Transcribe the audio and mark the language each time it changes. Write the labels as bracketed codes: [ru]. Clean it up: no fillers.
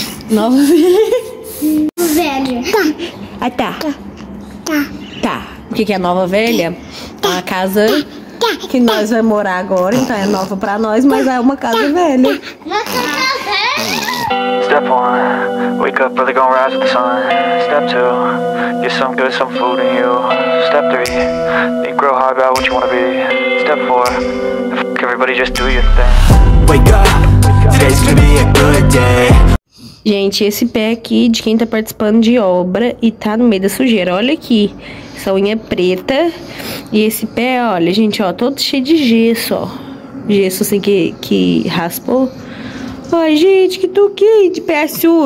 [pt] Nova, velha. Velha. Ah, tá. Tá. O que é nova, velha? É uma casa que nós vamos morar agora, então é nova pra nós, mas é uma casa velha. [en] Step 1, wake up early, gonna rise with the sun. Step 2, get some good, some food in you. Step 3, think real hard about what you wanna be. Step 4, fuck everybody, just do your thing. Wake up, today's gonna be a good day. [pt] Gente, esse pé aqui de quem tá participando de obra e tá no meio da sujeira, olha aqui. Essa unha preta. E esse pé, olha, gente, ó, todo cheio de gesso, ó. Gesso assim que raspou. Ai, gente, que tuque de pé sujo.